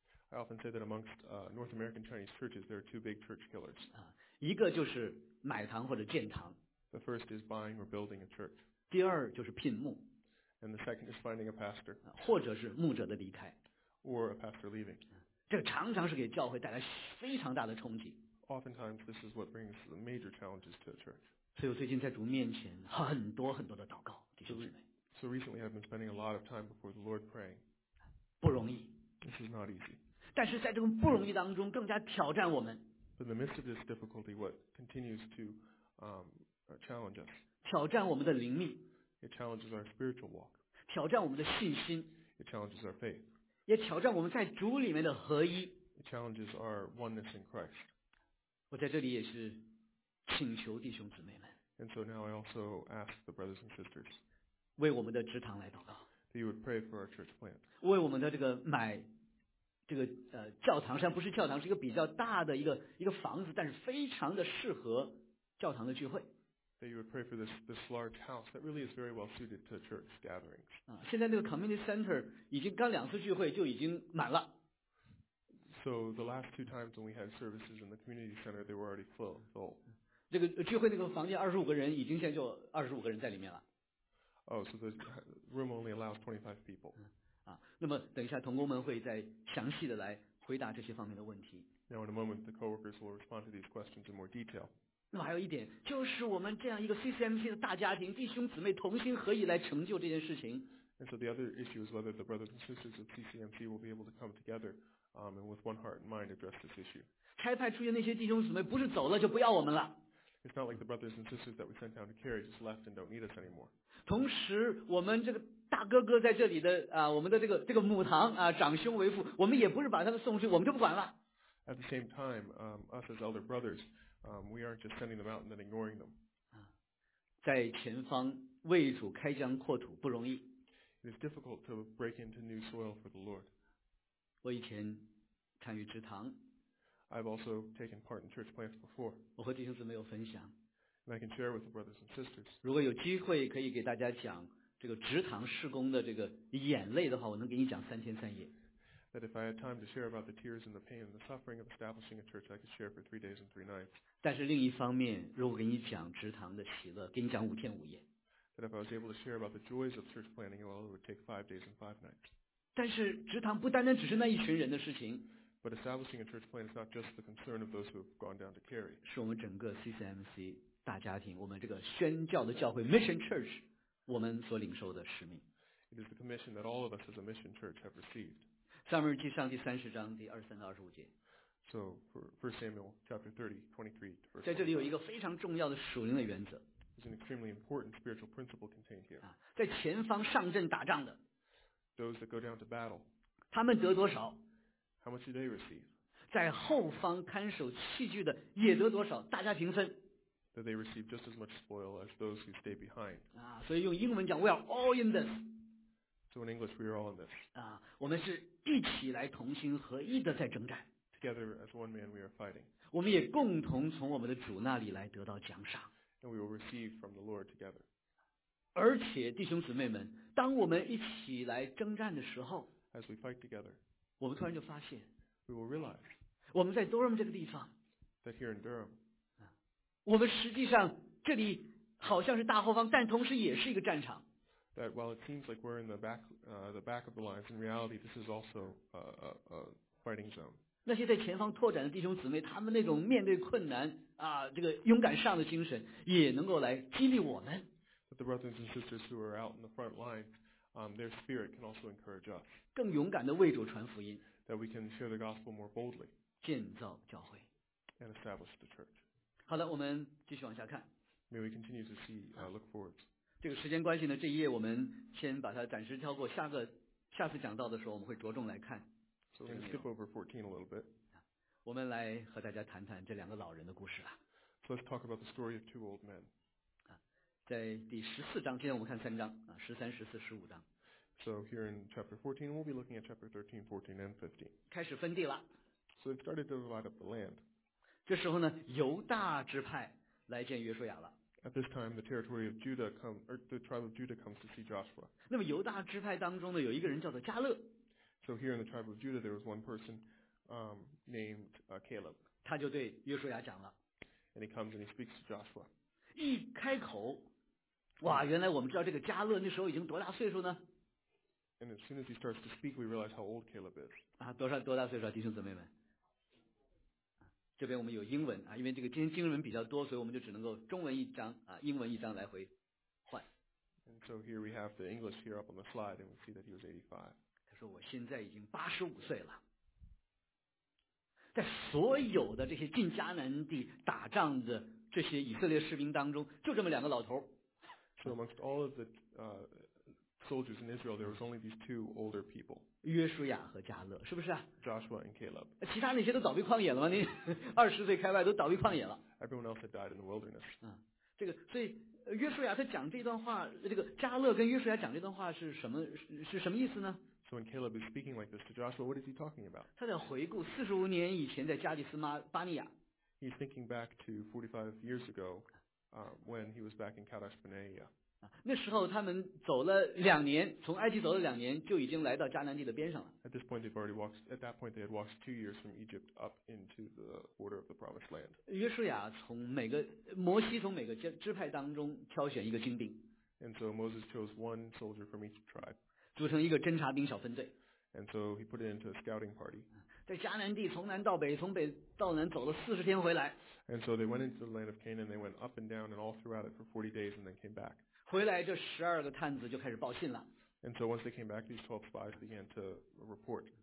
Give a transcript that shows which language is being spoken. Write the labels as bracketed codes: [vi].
[en] I often say that amongst North American Chinese churches, there are two big church killers. [zh] 一个就是买堂或者建堂。 [en] The first is buying or building a church. [zh] 第二就是聘牧。 [en] And the second is finding a pastor. [zh] 或者是牧者的离开。 [en] Or a pastor leaving. [zh] 这个常常是给教会带来非常大的冲击。 [en] Oftentimes, this is what brings the major challenges to the church. [zh] 所以我最近在主面前很多很多的祷告，弟兄姊妹。 [en] So recently, I've been spending a lot of time before the Lord praying. [zh] 不容易。 [en] This is not easy. [zh] 但是在这个不容易当中，更加挑战我们。 [en] But in the midst of this difficulty, what continues to challenge us? [zh] 挑战我们的灵命。 [en] It challenges our spiritual walk. [zh] 挑战我们的信心。 [en] It challenges our faith. [zh] 也挑战我们在主里面的合一。 [en] It challenges our oneness in Christ. [zh] 我在这里也是请求弟兄姊妹们。 [en] And so now I also ask the brothers and sisters. [zh] 为我们的职堂来祷告。 [en] That you would pray for our church plant. [zh] 为我们的这个买这个教堂，虽然不是教堂，是一个比较大的一个房子，但是非常的适合教堂的聚会。 [en] That you would pray for this large house that really is very well suited to church gatherings. [zh] 现在那个 community center 已经刚两次聚会就已经满了。 [en] So the last two times when we had services in the community center, they were already full. [zh] 这个聚会那个房间二十五个人，已经现在就二十五个人在里面了。 [en] Oh, so the room only allows 25 people. [zh] 那么等一下同工们会再详细的来回答这些方面的问题。 [en] Now in a moment, the coworkers will respond to these questions in more detail. [zh] 那么还有一点，就是我们这样一个 CCMC 的大家庭，弟兄姊妹同心合意来成就这件事情。 [en] And so the other issue is whether the brothers and sisters of CCMC will be able to come together. And with one heart and mind address this issue. [zh] 差派出去那些弟兄姊妹不是走了就不要我们了。 [en] It's not like the brothers and sisters that we sent down to carry just left and don't need us anymore. [zh] 同时我们这个大哥哥在这里的我们的这个母堂长兄为父，我们也不是把他们送出去，我们就不管了。 [en] At the same time, us as elder brothers, we aren't just sending them out and then ignoring them. [zh] 在前方为主开疆扩土不容易。 [en] It is difficult to break into new soil for the Lord. [zh] 我以前参与职堂。 [en] I've also taken part in church plants before. [zh] 我和弟兄姊妹有分享。 [en] And I can share with the brothers and sisters. [zh] 如果有机会可以给大家讲这个职堂事工的这个眼泪的话，我能给你讲三天三夜。 [en] That if I had time to share about the tears and the pain and the suffering of establishing a church, I could share for 3 days and 3 nights. [zh] 但是另一方面，如果给你讲职堂的喜乐，给你讲五天五夜。 [en] That if I was able to share about the joys of church planting, well, it would take 5 days and 5 nights. [zh] 但是职堂不单单只是那一群人的事情。 [en] But establishing a church plant is not just the concern of those who have gone down to carry. [zh] 是我们整个 CCMC 大家庭，我们这个宣教的教会 Mission Church， 我们所领受的使命。 [en] It is the commission that all of us as a mission church have received. [zh] 撒母耳记上第三十章第二十三到二十五节。 [en] So for First Samuel chapter 30:23. [zh] 在这里有一个非常重要的属灵的原则。 [en] There's an extremely important spiritual principle contained here. [zh] 在前方上阵打仗的。 [en] Those that go down to battle. [zh] 他们得多少 [en] ？How much do they receive? [zh] 在后方看守器具的也得多少？大家平分。 [en] That they receive just as much spoil as those who stay behind. [zh] 所以用英文讲 ， [en] We are all in this. So in English, we are all in this. [zh] 我们是一起来同心合意的在征战。 [en] Together as one man, we are fighting. [zh] 我们也共同从我们的主那里来得到奖赏。 [en] And we will receive from the Lord together. [zh] 而且弟兄姊妹们，当我们一起来征战的时候 [en] ，As we fight together, [zh] 我们突然就发现 [en] ，We will realize, [zh] 我们在 Durham 这个地方 [en] ，That here in Durham, [zh] 我们实际上这里好像是大后方，但同时也是一个战场。 [en] That while it seems like we're in the back of the lines, in reality, this is also a fighting zone. [zh] 那些在前方拓展的弟兄姊妹，他们那种面对困难啊，这个勇敢上的精神，也能够来激励我们。 [en] But the brothers and sisters who are out in the front line, their spirit can also encourage us. [zh] 更勇敢的为主传福音。 [en] That we can share the gospel more boldly. [zh] 建造教会。 [en] And establish the church. [zh] 好了，我们继续往下看。 [en] May we continue to see, look forward. [zh] 这个时间关系呢，这一页我们先把它暂时跳过，下次讲到的时候我们会着重来看。 [en] So we're gonna skip over 14 a little bit. [zh] 我们来和大家谈谈这两个老人的故事吧。 [en] So let's talk about the story of two old men. [zh] 在第十四章，今天我们看三章啊，十三、十四、十五章。 [en] So here in chapter 14, we'll be looking at chapter 13, 14, and 15. [zh] 开始分地了。 [en] So they started to divide up the land. [zh] 这时候呢，犹大支派来见约书亚了。 [en] At this time, the territory of Judah comes, or the tribe of Judah comes to see Joshua. [zh] 那么犹大支派当中呢，有一个人叫做迦勒。 [en] So here in the tribe of Judah, there was one person, named Caleb. [zh] 他就对约书亚讲了。 [en] And he comes and he speaks to Joshua. [zh] 一开口，哇，原来我们知道这个迦勒那时候已经多大岁数呢 [en] ？And as soon as he starts to speak, we realize how old Caleb is. [zh] 多大岁数啊，弟兄姊妹们？这边我们有英文啊，因为这个今天经文比较多，所以我们就只能够中文一张啊，英文一张来回换。 [en] And so here we have the English here up on the slide, and we see that he was 85. [zh] 他说我现在已经85岁了。在所有的这些进迦南地打仗的这些以色列士兵当中，就这么两个老头。 [en] So amongst all of the soldiers in Israel, there was only these two older people. [zh] 约书亚和迦勒，是不是啊 [en] ？Joshua and Caleb. [zh] 其他那些都倒闭旷野了吗？你二十岁开外都倒闭旷野了。 [en] Everyone else had died in the wilderness. [zh] 这个，所以约书亚他讲这段话，这个迦勒跟约书亚讲这段话是什么意思呢 [en] ？So when Caleb is speaking like this to Joshua, what is he talking about? [zh] 他在回顾四十五年以前在加利斯巴尼亚。 [en] He's thinking back to 45 years ago, when he was back in Kadesh Barnea. [zh] 那时候他们走了两年，从埃及走了两年，就已经来到迦南地的边上了。 [en] At this point, they've already walked. At that point, they had walked 2 years from Egypt up into the border of the Promised Land. [zh] 约书亚从每个摩西从每个支派当中挑选一个精兵。 [en] And so Moses chose one soldier from each tribe. [zh] 组成一个侦察兵小分队。 [en] And so he put it into a scouting party. [zh] 在迦南地从南到北，从北到南走了40天回来。 [en] And so they went into the land of Canaan. They went up and down and all throughout it for 40 days, and then came back. [zh] 回来这十二个探子就开始报信了。 [en] And so once they came back, these 12 spies began to report.